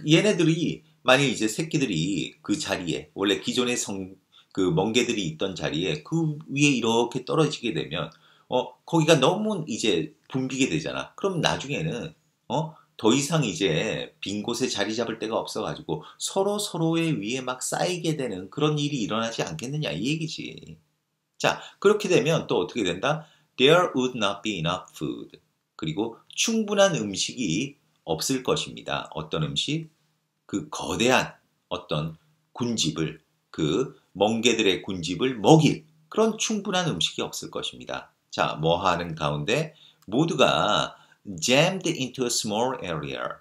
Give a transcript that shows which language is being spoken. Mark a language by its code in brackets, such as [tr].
[ko] 얘네들이 만약 이제 새끼들이 그 자리에 원래 기존의 성 그 멍게들이 있던 자리에 그 위에 이렇게 떨어지게 되면 거기가 너무 이제 붐비게 되잖아. 그럼 나중에는 더 이상 이제 빈 곳에 자리 잡을 데가 없어가지고 서로 서로의 위에 막 쌓이게 되는 그런 일이 일어나지 않겠느냐 이 얘기지. 자, 그렇게 되면 또 어떻게 된다? [en] There would not be enough food. [ko] 그리고 충분한 음식이 없을 것입니다. 어떤 음식? 그 거대한 어떤 군집을 그 멍게들의 군집을 먹일 그런 충분한 음식이 없을 것입니다. 자, 뭐 하는 가운데 모두가 [en] jammed into a small area.